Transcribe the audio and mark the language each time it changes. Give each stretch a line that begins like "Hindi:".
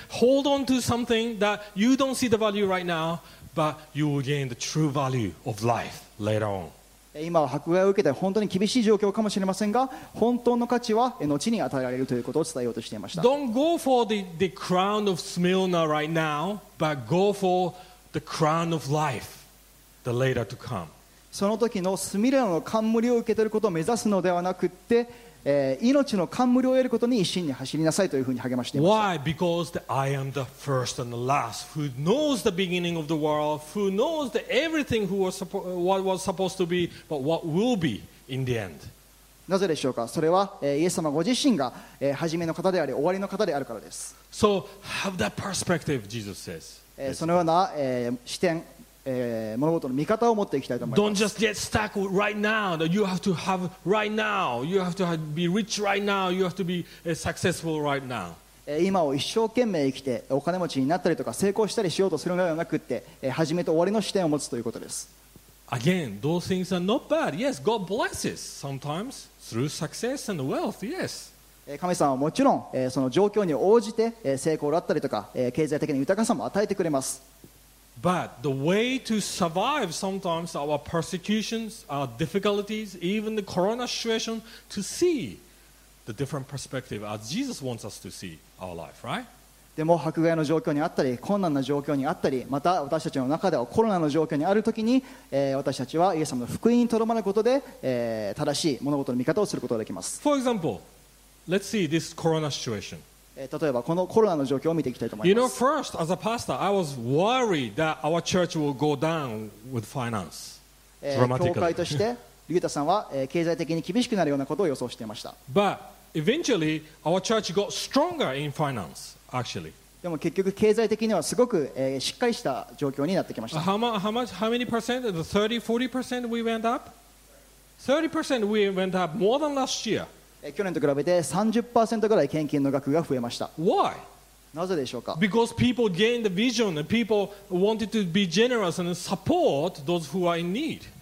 English: Hold on to something that you don't see the value right now, but you will gain the true value of life later on.
Japanese: 今は迫害を受けて本当に厳しい状況かもしれませんが、本当の価値は後に与えられるということを伝えようとしていました。
English: Don't go for the crown of Smyrna right now, but go for the crown of life, the later to come.
Japanese: その時のスミレナの冠を受け取ることを目指すのではなくって、命の冠を得ることに一心に走りなさいというふうに励ましています。
English: Why? Because I am the first and the last who knows the beginning of the world, who knows the everything who was what was supposed to be, but what will be in the end.
Japanese: なぜでしょうか。それは、イエス様ご自身が、初めの方であり終わりの方であるからです。
English: So have that perspective, Jesus says.
Japanese: そのような、視点物事の見方を持っていきたいと思います。
English: Don't just get stuck right now. You have to have right now. You have to be rich right now. You have to be successful right now.
Japanese: 今を一生懸命生きてお金持ちになったりとか成功したりしようとするのではなくって、始めと終わりの視点を持つということです。
English: Again, those things are not bad. Yes, God blesses sometimes through success and wealth. Yes.
Japanese: 神様はもちろん、その状況に応じて、成功だったりとか、経済的な豊かさも与えてくれます。
English: But the way to survive sometimes our persecutions, our difficulties, even the corona situation, to see the different perspective as Jesus wants us to see our life, right?
Japanese: でも迫害の状況にあったり、困難な状況にあったり、また私たちの中ではコロナの状況にあるときに、私たちはイエス様の福音にとどまることで、正しい物事の見方をすることができます。
English: For example, let's see this corona situation.
Japanese: 例えばこのコロナの状況を見ていきたいと思います。
English: You know, first, as a pastor, I was worried that our church will go down with finance. Dramatically.
Japanese: 教会として、リュータさんは経済的に厳しくなるようなことを予想していました。
English: But eventually, our church got stronger in finance, actually.
Japanese: でも結局経済的にはすごくしっかりした状況になってきました。
English: How many percent? The 30, 40% we went up? 30% we went up more than last year.
Japanese: 去年と比べて 30% ぐらい献金の額が増えました。
English: Why?
Japanese: なぜでしょうか?
English: Because people gained the vision and people wanted to be generous and support those who are in need.